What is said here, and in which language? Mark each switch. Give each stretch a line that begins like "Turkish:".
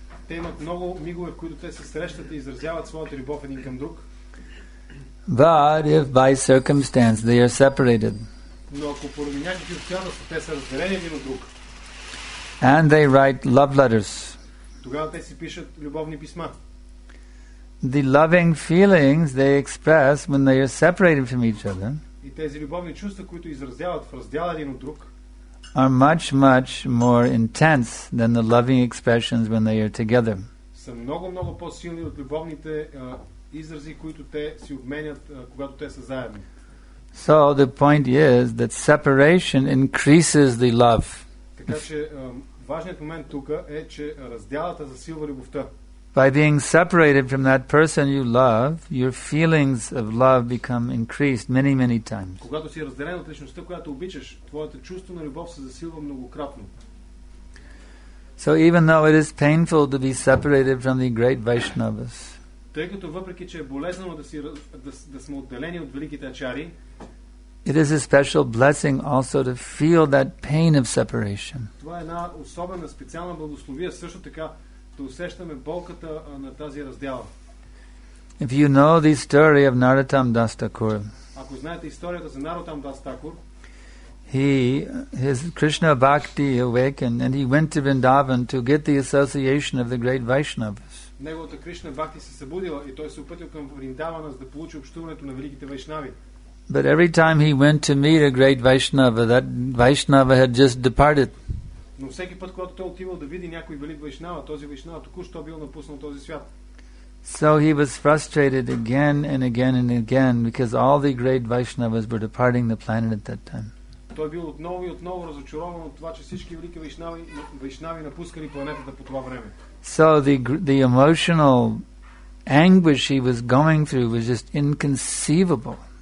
Bulgarian: Те имат много мигове, в които те се срещат и изразяват своята любов един към друг.
English: But if by circumstance they are separated.
Bulgarian: Но ако поради някакви обстоятелства те са разделени един от друг.
English: And they write love letters.
Bulgarian: Тогава те си пишат любовни писма.
English: The loving feelings they express when they are separated from each other.
Bulgarian: И тези любовни чувства, които изразяват в раздяла един от друг.
English: Are much, much more intense than the loving expressions when they are together.
Bulgarian: Са много, много по-силни от любовните изрази, които те си обменят, когато те са заедно.
English: So the point is that separation increases the love.
Bulgarian: Така че важният момент тук е, че разделата засилва любовта.
English: By being separated from that person you love, your feelings of love become increased many, many times.
Bulgarian: Когато си разделен от личността, която обичаш, твоето чувство на любов се засилва многократно.
English: So even though it is painful to be separated from the great Vaishnavas.
Bulgarian: Тъй като въпреки че е болезнено да сме отделени от великите ачари,
English: it is a special blessing also to feel that pain of separation.
Bulgarian: Това е една особена специална благословия също така. Да усещаме болката на тази раздяла.
English: If you know the story of Narottam Das Thakur,
Bulgarian: ако знаете историята за Narottam Das Thakur,
English: his Krishna Bhakti awakened and he went to Vrindavan to get the association of the great Vaishnavas.
Bulgarian: Неговата Кришна Бхакти се събудила и той се опътил към Вриндавана, за да получи общуването на великите Вайшнави.
English: But every time he went to meet a great Vaishnava, that Vaishnava had just departed.
Bulgarian: Но всеки път, когато той отивал да види някой велик вайшнава, този вайшнава току-що бил напуснал този свят.
English: So he was frustrated again and again and again because all the great Vaishnavas were departing the planet at that time.
Bulgarian: Той бил отново и отново разочарован от това, че всички велики вайшнави напускали планетата по това време.
English: So the emotional anguish he was going through was just inconceivable.